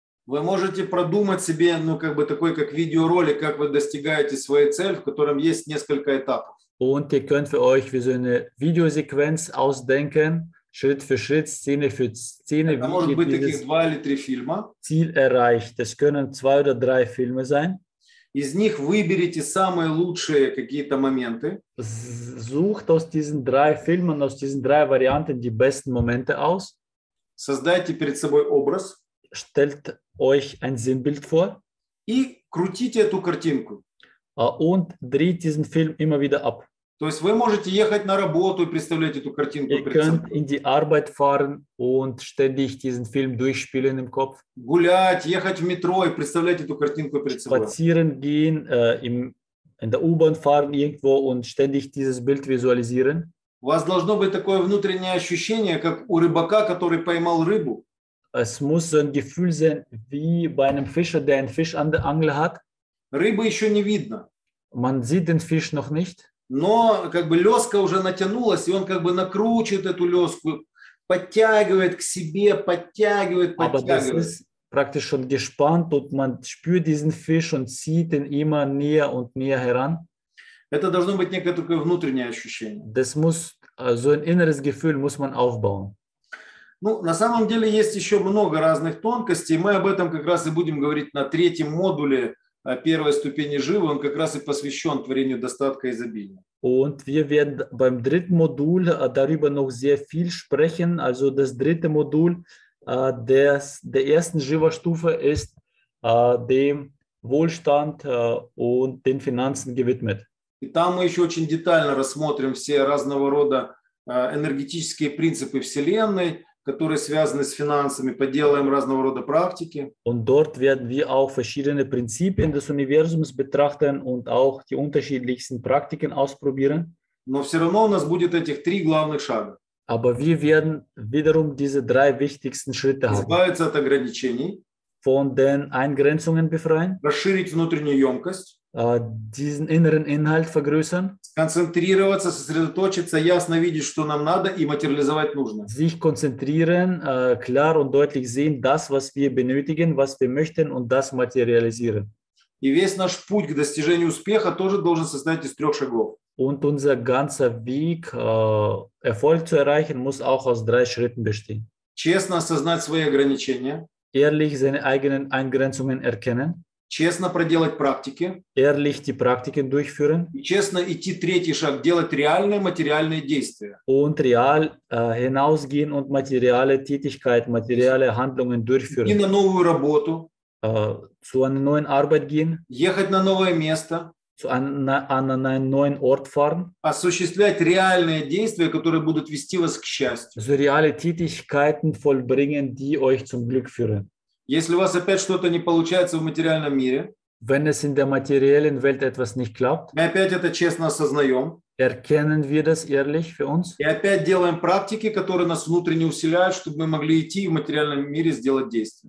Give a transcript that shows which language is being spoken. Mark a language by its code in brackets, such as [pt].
[ru] Вы можете продумать себе, ну как бы такой как видеоролик, как вы достигаете своей цели, в котором есть несколько этапов. [de] Und ihr könnt für euch wie so eine Videosequenz ausdenken, Schritt für Schritt, Szene für Szene, wie ihr dieses Ziel erreicht. Das können 2 oder 3 Filme sein. [ru] Из них выберите самые лучшие какие-то моменты. [de] Sucht aus diesen 3 Filmen, aus diesen 3 Varianten die besten Momente aus. [ru] Создайте перед собой образ. [de] Stellt euch ein Sinnbild vor. [ru] И крутите эту картинку. [de] Und dreht diesen Film immer wieder ab. [ru] То есть вы можете ехать на работу и представлять эту картинку. [de] Ihr könnt in die Arbeit fahren und ständig diesen Film durchspielen im Kopf. [ru] Гулять, ехать в метро и представлять эту картинку. [de] Spazieren gehen, in der U-Bahn fahren irgendwo und ständig dieses Bild visualisieren. [ru] У вас должно быть такое внутреннее ощущение, как у рыбака, который поймал рыбу. [de] Es muss so ein Gefühl sein, wie bei einem Fischer, der einen Fisch an der Angel hat. [ru] Рыбы еще не видно. [de] Man sieht den Fisch noch nicht. [ru] Но как бы леска уже натянулась, и он как бы накручивает эту леску, подтягивает к себе, подтягивает. [de] Aber das ist praktisch schon gespannt, und man spürt diesen Fisch und zieht ihn immer näher und näher heran. [ru] Это должно быть некое такое внутреннее ощущение. [de] Das muss, so ein inneres Gefühl muss man aufbauen. [ru] Ну, на самом деле есть еще много разных тонкостей. Мы об этом как раз и будем говорить на 3-м модуле. О первой ступени живы, он как раз и посвящен творению достатка и изобилия. [de] Und wir werden beim dritten Modul darüber noch sehr viel sprechen. Also das dritte Modul der ersten Jiva-Stufe ist dem Wohlstand und den Finanzen gewidmet. [ru] И там мы еще очень детально рассмотрим все разного рода энергетические принципы Вселенной, которые связаны с финансами, поделаем разного рода практики. [de] Und dort werden wir auch verschiedene Prinzipien des Universums betrachten und auch die unterschiedlichsten Praktiken ausprobieren. [ru] Но все равно у нас будет этих 3 главных шага. [de] Aber wir werden wiederum diese 3 wichtigsten Schritte haben. [ru] Избавиться от ограничений. [de] Von den Eingrenzungen befreien. [ru] Расширить внутреннюю емкость. [de] Diesen inneren Inhalt vergrößern, [ru] сконцентрироваться, сосредоточиться, ясно видеть, что нам надо, и материализовать нужно. [de] Sich konzentrieren, klar und deutlich sehen, das, was wir benötigen, was wir möchten, und das materialisieren. [ru] И весь наш путь к достижению успеха тоже должен состоять из 3 шагов. [de] Und unser ganzer Weg, Erfolg zu erreichen, muss auch aus 3 Schritten bestehen. [ru] Честно осознать свои ограничения. [de] Ehrlich seine eigenen Eingrenzungen erkennen. [ru] Честно проделать практики. [de] Ehrlich die Praktiken durchführen. [ru] И честно идти 3-й шаг, делать реальные материальные действия. [de] Und real hinausgehen und materielle Tätigkeit, materielle Handlungen durchführen. [ru] И на новую работу. [de] Zu einer neuen Arbeit gehen. [ru] Ехать на новое место. [de] An einen neuen Ort fahren. [ru] Осуществлять реальные действия, которые будут вести вас к счастью. [de] So reale Tätigkeiten vollbringen, die euch zum Glück führen. [ru] Если у вас опять что-то не получается в материальном мире, [de] wenn es in der materiellen Welt etwas nicht klappt, [ru] мы опять это честно осознаем, [de] erkennen wir das ehrlich für uns, [ru] и опять делаем практики, которые нас внутренне усиляют, чтобы мы могли идти в материальном мире сделать действие.